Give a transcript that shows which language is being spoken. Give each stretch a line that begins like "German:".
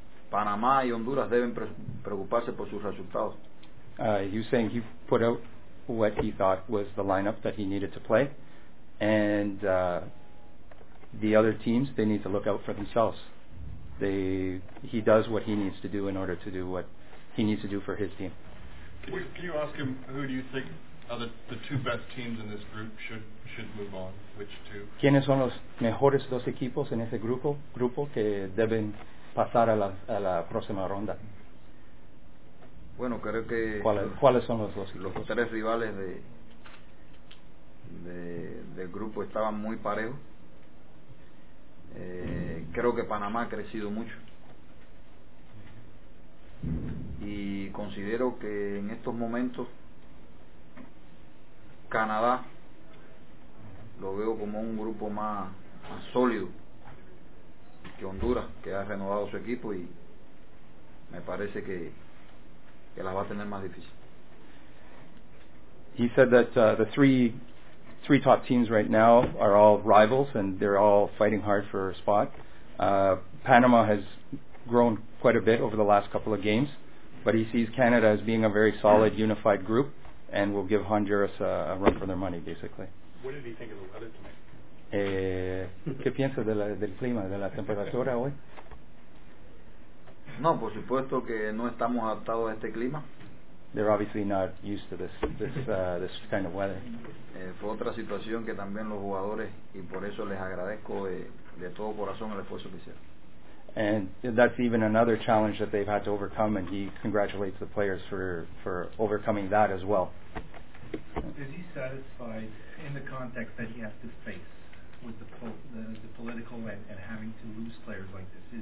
Spanish: Panamá y Honduras deben preocuparse por sus resultados.
English: You're saying he put out what he thought was the lineup that he needed to play. And the other teams, they need to look out for themselves. He does what he needs to do in order to do what he needs to do for his team. Can you ask him who do you think are the two best teams in this group should move on? Which two?
Spanish: ¿Quiénes son los mejores dos equipos en ese grupo que deben pasar a la próxima ronda? Bueno, creo que ¿cuáles son los dos equipos? Los tres rivales del grupo estaban muy parejos. Creo que Panamá ha crecido mucho y considero que en estos momentos Canadá lo veo como un grupo más sólido que Honduras, que ha renovado su equipo, y me parece que la va a tener más difícil.
English: He said that the three top teams right now are all rivals and they're all fighting hard for a spot. Panama has grown quite a bit over the last couple of games, but he sees Canada as being a very solid, unified group and will give Honduras a run for their money, basically. What did he think of the weather tonight?
Spanish: ¿Qué piensa del clima, de la temperatura hoy? No, por supuesto que no estamos adaptados a este clima.
English: They're obviously not used to this kind of weather.
Spanish: Fue otra situación que también los jugadores, y por eso les agradezco de todo corazón el esfuerzo que hicieron.
English: And that's even another challenge that they've had to overcome, and he congratulates the players for overcoming that as well. Is he satisfied in the context that he has to face with the political and having to lose players like this?